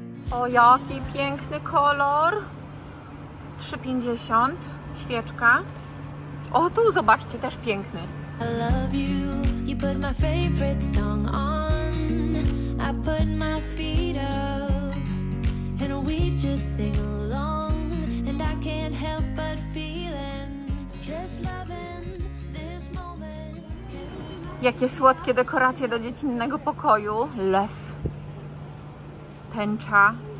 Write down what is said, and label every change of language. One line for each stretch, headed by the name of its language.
Polish: O, jaki piękny kolor. 3,50 świeczka. O, tu zobaczcie, też piękny.
English: I love you, you put my favorite song on. I put my feet up and we just sing along. And I can't help but feeling just loving this moment.
Polish: Jakie słodkie dekoracje do dziecinnego pokoju. Lew. Tęcza.